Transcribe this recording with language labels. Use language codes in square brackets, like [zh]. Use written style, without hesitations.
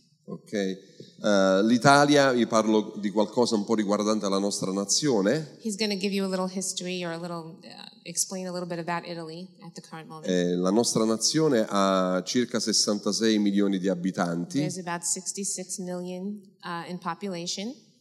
[it] Ok, l'Italia, vi parlo di qualcosa un po' riguardante la nostra nazione. [en] He's going to give you a little history or a little explain a little bit about Italy at the current moment. [it] La nostra nazione ha circa 66 milioni di abitanti. [en] There's about 66 million in population.